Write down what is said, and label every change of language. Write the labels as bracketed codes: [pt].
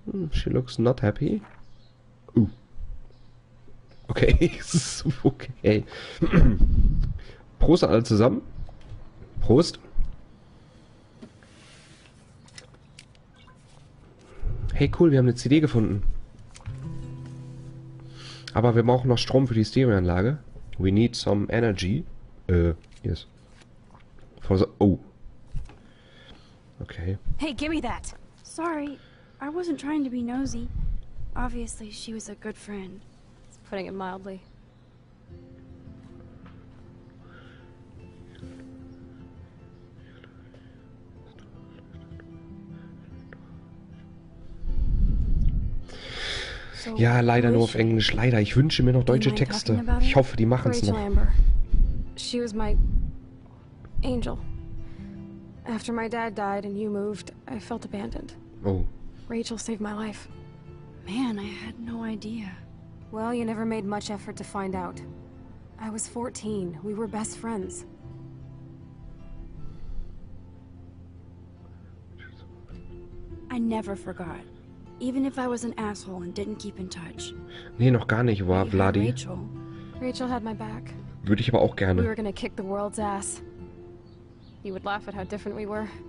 [en] She looks not happy. Ooh. Okay. Okay. [de] Prost alle zusammen. Prost. Hey cool, wir haben eine CD gefunden. Aber wir brauchen noch Strom für die Stereoanlage. [en] We need some energy. Yes. For the... Oh. Okay. Okay. Hey, give me that. Sorry, I wasn't trying to be nosy. Obviously, she was a good friend. It's putting it mildly. [de] Ja, leider nur auf Englisch. Leider. Ich wünsche mir noch deutsche Texte. Ich hoffe, die machen es noch. [en] She was my angel. After my dad died and you moved, I felt abandoned. Oh. Rachel saved my life. Man, I had no idea. Well, you never made much effort to find out. I was 14. We were best friends. I never forgot. Even if I was an asshole and didn't keep in touch. [de] Nee, noch gar nicht, war Vladi. [en] Rachel had my back. [de] Würde ich aber auch gerne. [en] We were gonna kick the world's ass. You would laugh at how different we were.